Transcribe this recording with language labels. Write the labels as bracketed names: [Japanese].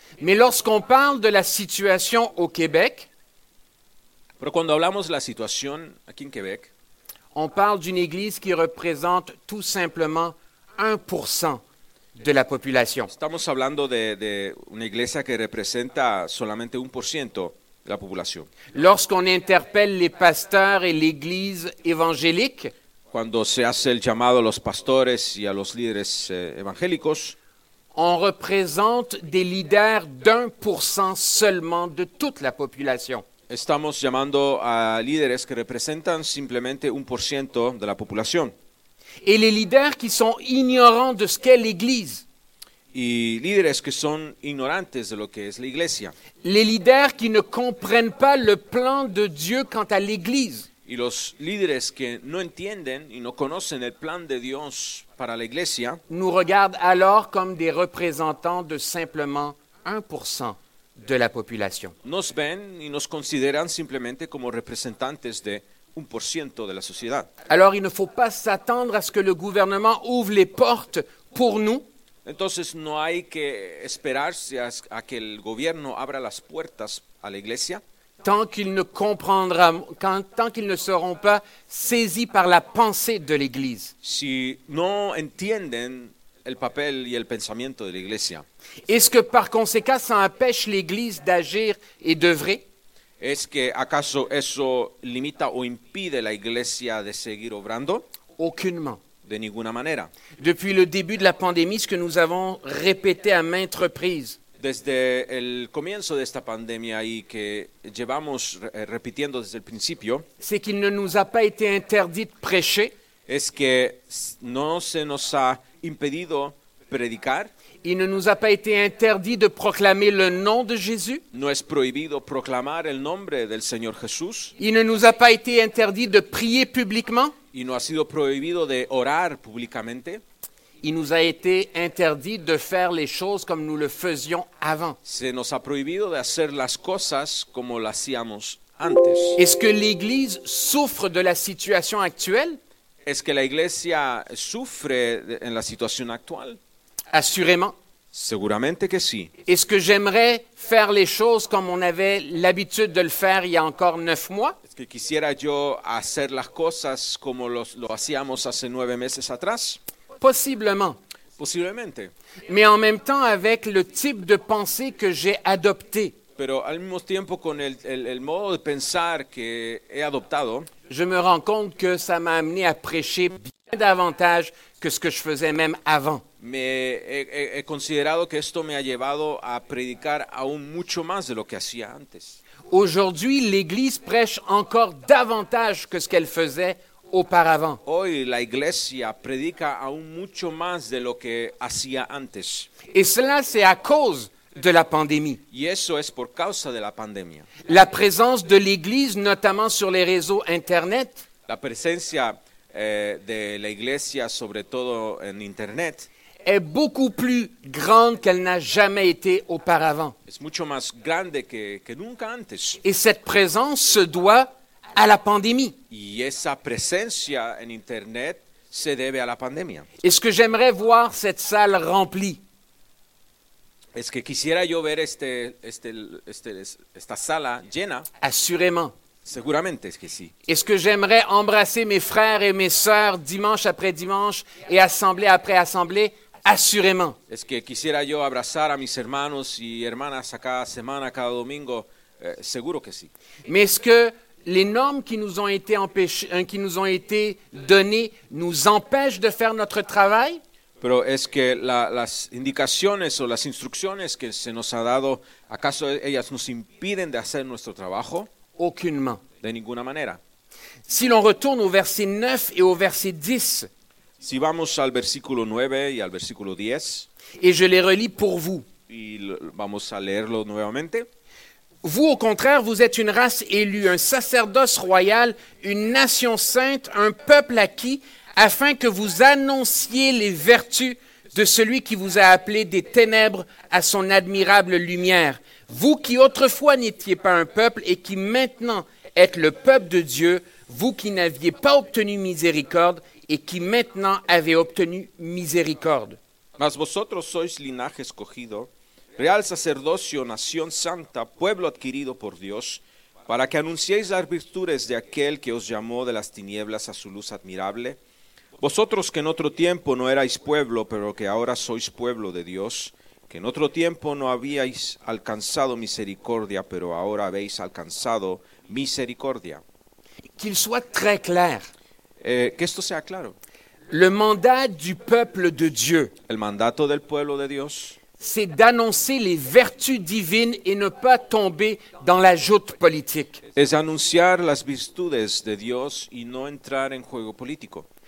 [French] Mais lorsqu'on parle de la situation au Québec, [Spanish] pero cuando hablamos de la situación aquí en Quebec, [French] on parle d'une église qui représente tout simplement 1% de la population. [Spanish] Estamos hablando de una iglesia que representa solamente 1% de la población. [French] Lorsqu'on interpelle les pasteurs et l'église évangélique, [Spanish] cuando se hace el llamado a los pastores y a los líderes evangélicos, [French] on représente des leaders d'1% seulement de toute la population. [Spanish] Estamos llamando a líderes que representan simplemente 1% de la población. [French] Et les leaders qui sont ignorants de ce qu'est l'Église. [Spanish] Y líderes que son ignorantes de lo que es la iglesia. [French] Les leaders qui ne comprennent pas le plan de Dieu quant à l'Église. [Spanish] Y los líderes que no entienden y no conocen el plan de Dios para la iglesia, [French] nous regardent alors comme des représentants de simplement 1% de la population. [Spanish] Nos ven y nos consideran simplemente como representantes de 1% de la sociedad. [French] Alors il ne faut pas s'attendre à ce que le gouvernement ouvre les portes pour nous. [Spanish] Entonces no hay que esperarse a que el gobierno abra las puertas a la iglesia. [French] Tant qu'ils ne seront pas saisis par la pensée de l'Église. [Spanish] Si no entienden el papel y el pensamiento de la iglesia. [French] Est-ce que par conséquent ça empêche l'Église d'agir et d'œuvrer? [Spanish] Es que acaso eso limita o impide la iglesia de seguir obrando? [French] Aucunement. [Spanish] De ninguna manera. [French] Depuis le début de la pandémie, ce que nous avons répété à maintes reprises. [Spanish] Desde el comienzo de esta pandemia y que llevamos repitiendo desde el principio, [French] c'est qu'il ne nous a pas été interdit de prêcher, [Spanish] es que no se nos ha impedido predicar, [French] il ne nous a pas été interdit de proclamer le nom de Jésus, [Spanish] no es prohibido proclamar el nombre del Señor Jesús, [French] il ne nous a pas été interdit de prier publiquement, [Spanish] y no ha sido prohibido de orar públicamente. [French] Il nous a été interdit de faire les choses comme nous le faisions avant. [Spanish] Se nos ha prohibido de hacer las cosas como las hacíamos antes. [French] Est-ce que l'Église souffre de la situation actuelle? [Spanish] Es que la iglesia sufre en la situación actual? [French] Assurément. [Spanish] Seguramente que sí. [French] Est-ce que j'aimerais faire les choses comme on avait l'habitude de le faire il y a encore 9 mois? [Spanish] Es que quisiera yo hacer las cosas como lo hacíamos hace 9 meses atrás? [French] Possiblement. [Spanish] Posiblemente. [French] Mais en même temps avec le type de pensée que j'ai adopté. [Spanish] Pero al mismo tiempo con el modo de pensar que he adoptado, [French] je me rends compte que ça m'a amené à prêcher bien davantage que ce que je faisais même avant. [Spanish] Mais he considerado que esto me ha llevado a predicar aún mucho más de lo que hacía antes. [French] Aujourd'hui, l'Église prêche encore davantage que ce qu'elle faisait auparavant. [Spanish] Hoy la iglesia predica aún mucho más de lo que hacía antes. [French] Et cela c'est à cause de la pandémie. [Spanish] Y eso es por causa de la pandemia. [French] La présence de l'église, notamment sur les réseaux internet. [Spanish] La presencia de la iglesia, sobre todo en internet, [French] est beaucoup plus grande qu'elle n'a jamais été auparavant. [Spanish] Es mucho más grande que nunca antes. [French] Et cette présence se doit à la pandémie. [Spanish] Y esa presencia en internet se debe a la pandemia. [French] Est-ce que j'aimerais voir cette salle remplie? [Spanish] Es que quisiera yo ver esta sala llena. [French] Assurément. [Spanish] Seguramente es que sí. [French] Est-ce que j'aimerais embrasser mes frères et mes sœurs dimanche après dimanche et assemblée après assemblée? Assurément. [Spanish] Es que quisiera yo abrazar a mis hermanos y hermanas cada semana, cada domingo, seguro que sí. [French] Mais est-ce que les normes qui nous ont été données nous empêchent de faire notre travail? [Spanish] Pero es que las indicaciones o las instrucciones que se nos ha dado, ¿acaso ellas nos impiden de hacer nuestro trabajo? [French] Aucunement. [Spanish] De ninguna manera. [French] Si l'on retourne au verset 9 et au verset 10. [Spanish] Si vamos al versículo 9 y al versículo 10. [French] Et je les relis pour vous. [Spanish] Y vamos a leerlo nuevamente. [French] Vous, au contraire, vous êtes une race élue, un sacerdoce royal, une nation sainte, un peuple acquis, afin que vous annonciez les vertus de celui qui vous a appelé des ténèbres à son admirable lumière. Vous qui autrefois n'étiez pas un peuple et qui maintenant êtes le peuple de Dieu, vous qui n'aviez pas obtenu miséricorde et qui maintenant avez obtenu miséricorde. [Spanish] Mas vosotros sois linaje escogido, real sacerdocio, nación santa, pueblo adquirido por Dios, para que anunciéis las virtudes de aquel que os llamó de las tinieblas a su luz admirable. Vosotros que en otro tiempo no erais pueblo, pero que ahora sois pueblo de Dios, que en otro tiempo no habíais alcanzado misericordia, pero ahora habéis alcanzado misericordia. [French] Qu'il soit très clair. [Spanish] Que esto sea claro. [French] Le mandat du peuple de Dieu. [Spanish] El mandato del pueblo de Dios. [French] C'est d'annoncer les vertus divines et ne pas tomber dans la joute politique. [Spanish] Es anunciar las virtudes de Dios y no entrar en juego político.